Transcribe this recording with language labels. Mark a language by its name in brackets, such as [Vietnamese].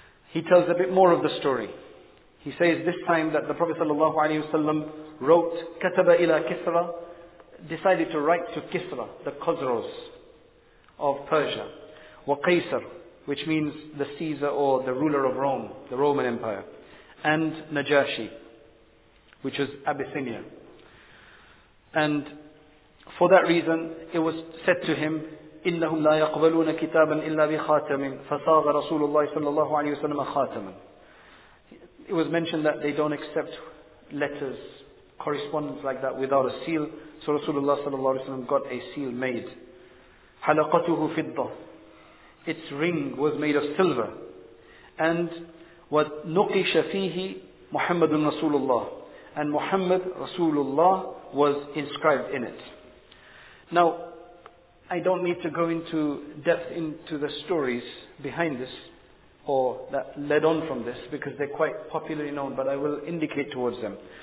[English] He tells a bit more of the story. He says this time that the Prophet sallallahu alaihi wasallam wrote, kataba ila Kisra, decided to write to Kisra, the Khosrows of Persia, wa Qaisar, which means the Caesar or the ruler of Rome, the Roman Empire, and Najashi, which is Abyssinia. And for that reason, it was said to him, [Arabic] إِنَّهُمْ لَا يَقْبَلُونَ كِتَابًا إِلَّا بِخَاتَمٍ فَصَاغَ رَسُولُ اللَّهِ صَلَّى اللَّهُ عَلَيْهِ وَسَلَّمَ خَاتَمًا. [English] It was mentioned that they don't accept letters, correspondence like that without a seal. So Rasulullah صلى الله عليه وسلم got a seal made. [Arabic] حَلَقَتُهُ فِضَّةً. [English] Its ring was made of silver. [Arabic] And وَنُقِشَ فِيهِ مُحَمَّدٌ رَسُولُ اللَّهِ. [English] And Muhammad Rasulullah was inscribed in it. Now, I don't need to go into depth into the stories behind this or that led on from this, because they're quite popularly known, but I will indicate towards them.